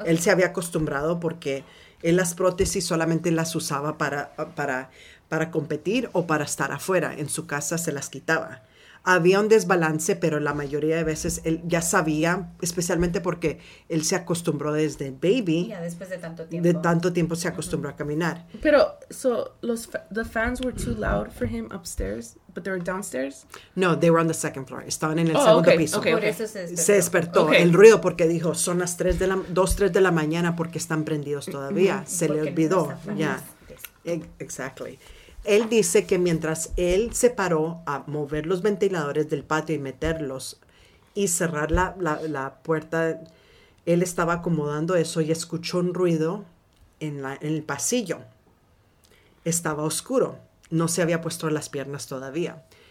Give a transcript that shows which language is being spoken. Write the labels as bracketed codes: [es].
[es] Okay. Él se había acostumbrado porque... Él las prótesis solamente las usaba para competir o para estar afuera. En su casa se las quitaba. Había un desbalance, pero la mayoría de veces él ya sabía, especialmente porque él se acostumbró desde baby. Ya, después de tanto tiempo. De tanto tiempo se acostumbró uh-huh. a caminar. [en] Pero, so, the fans were too loud for him upstairs, but they were downstairs? No, they were on the second floor. [es] Estaban en el segundo [en] okay. [es] piso. Okay. Por eso se despertó. Se despertó okay. el ruido porque dijo, son las 3 de la, 2, 3 de la mañana porque están prendidos todavía. Mm-hmm. Se porque le olvidó. Ya, [en] yeah. Exactly. [es] Él dice que mientras él se paró a mover los ventiladores del patio y meterlos y cerrar la puerta, él estaba acomodando eso y escuchó un ruido en el pasillo. Estaba oscuro, no se había puesto las piernas todavía.